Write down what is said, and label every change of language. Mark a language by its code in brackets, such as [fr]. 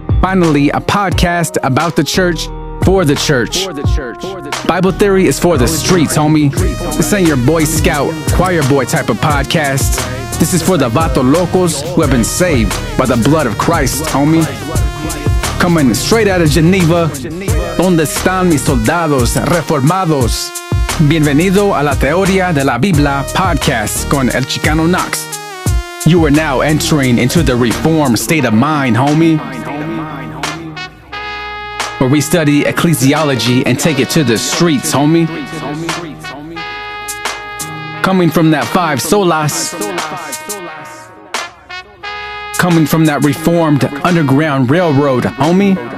[en] Finally, a podcast about the church, for the church. Bible Theory is for the streets, homie. This ain't your Boy Scout, choir boy type of podcast. This is for the vato locos who have been saved by the blood of Christ, homie. Coming straight out of Geneva, [es] donde están mis soldados reformados. Bienvenido a la Teoría de la Biblia podcast con El Chicano Knox. [en] You are now entering into the Reformed state of mind, homie, where we study ecclesiology and take it to the streets, homie. Coming from that five solas, coming from that Reformed Underground Railroad, homie.